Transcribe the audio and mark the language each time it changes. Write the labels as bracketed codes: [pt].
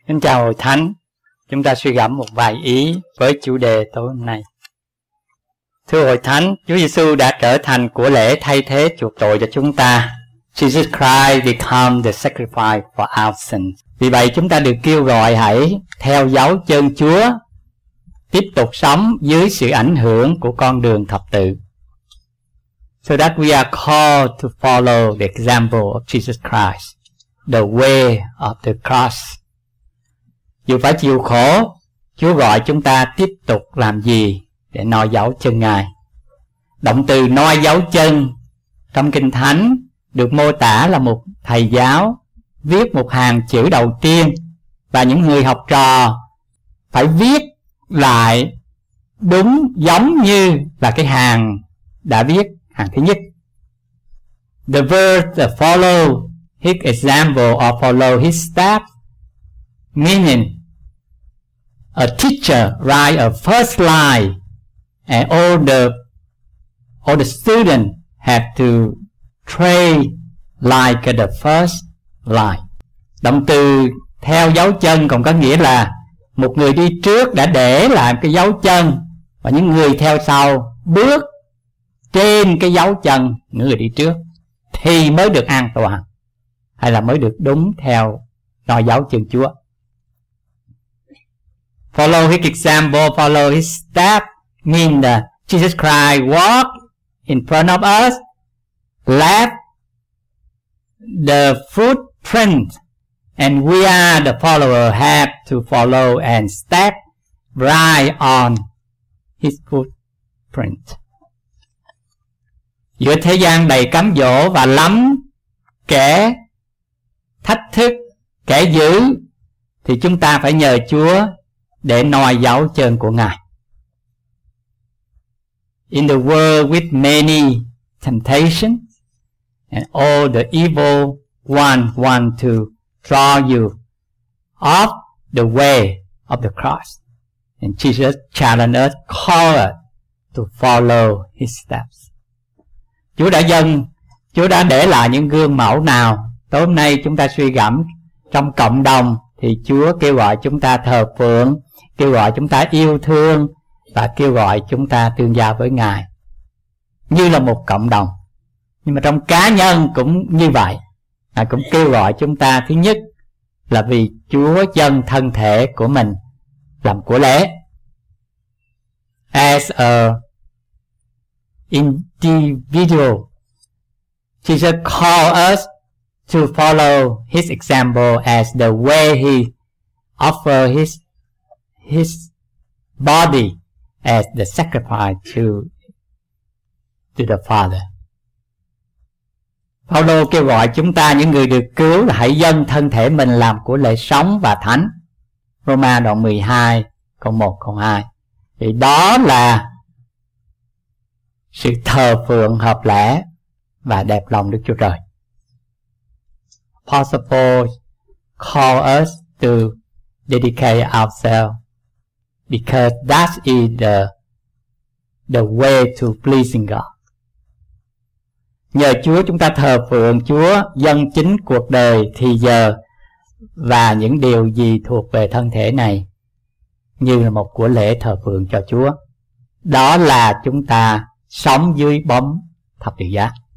[vi] Xin chào Hội Thánh, chúng ta suy gẫm một vài ý với chủ đề tối hôm nay. Thưa Hội Thánh, Chúa Giê-xu đã trở thành của lễ thay thế chuộc tội cho chúng ta. [en] Jesus Christ become the sacrifice for our sins. [vi] Vì vậy chúng ta được kêu gọi hãy theo dấu chân Chúa, tiếp tục sống dưới sự ảnh hưởng của con đường thập tự. [en] So that we are called to follow the example of Jesus Christ, the way of the cross. [vi] Dù phải chịu khổ, Chúa gọi chúng ta tiếp tục làm gì để noi dấu chân Ngài. Động từ noi dấu chân trong Kinh Thánh được mô tả là một thầy giáo viết một hàng chữ đầu tiên và những người học trò phải viết lại đúng giống như là cái hàng đã viết hàng thứ nhất. [en] The verb to follow his example or follow his steps. Meaning, a teacher write a first line and all the students have to trace like the first line. [vi] Động từ theo dấu chân còn có nghĩa là một người đi trước đã để lại cái dấu chân và những người theo sau bước trên cái dấu chân người đi trước thì mới được an toàn hay là mới được đúng theo noi dấu chân Chúa. [en] Follow his example, follow his step, mean that Jesus Christ walked in front of us, left the footprint, and we are the follower have to follow and step right on his footprint. [vi] Giữa thế gian đầy cám dỗ và lắm kẻ thách thức, kẻ dữ, thì chúng ta phải nhờ Chúa để noi dấu chân của Ngài. [en] In the world with many temptations and all the evil one want to draw you off the way of the cross, and Jesus challenged us, call us to follow his steps. [vi] Chúa đã để lại những gương mẫu nào tối hôm nay chúng ta suy gẫm trong cộng đồng, thì Chúa kêu gọi chúng ta thờ phượng, kêu gọi chúng ta yêu thương và kêu gọi chúng ta tương giao với Ngài như là một cộng đồng. Nhưng mà trong cá nhân cũng như vậy, Ngài cũng kêu gọi chúng ta, thứ nhất là vì Chúa dâng thân thể của mình làm của lễ. [en] As a individual, Jesus called us to follow his example as the way he offered his body as the sacrifice to the Father. [vi] Phaolô kêu gọi chúng ta, những người được cứu, là hãy dâng thân thể mình làm của lễ sống và thánh. Roma đoạn 12 câu 1 câu 2. Thì đó là sự thờ phượng hợp lẽ và đẹp lòng Đức Chúa Trời. [en] Apostle Paul call us to dedicate ourselves because that is the way to pleasing God. [vi] Nhờ Chúa chúng ta thờ phượng Chúa, dâng chính cuộc đời, thì giờ và những điều gì thuộc về thân thể này như là một của lễ thờ phượng cho Chúa. Đó là chúng ta sống dưới bóng thập tự giá.